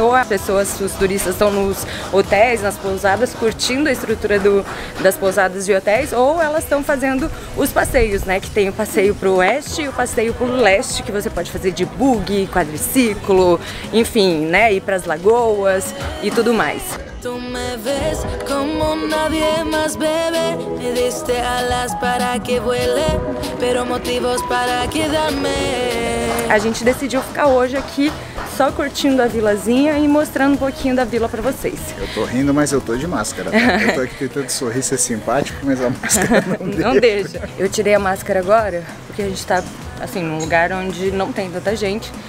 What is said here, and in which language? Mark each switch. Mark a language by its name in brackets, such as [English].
[Portuguese] Ou as pessoas, os turistas estão nos hotéis, nas pousadas, curtindo a estrutura das pousadas e hotéis. Ou elas estão fazendo os passeios, né? Que tem o passeio pro oeste e o passeio pro leste, que você pode fazer de buggy, quadriciclo, enfim, né? Ir pras lagoas e tudo mais. [Spanish] Tu me ves como nadie más bebe, me diste alas para que vuele, pero motivos para quedarme. [Portuguese] A gente decidiu ficar hoje aqui só curtindo a vilazinha e mostrando um pouquinho da vila pra vocês. Eu tô rindo, mas eu tô de máscara. Eu tô aqui tentando sorrir, ser simpático, mas a máscara não deixa. Não deixa. Eu tirei a máscara agora porque a gente tá, assim, num lugar onde não tem tanta gente.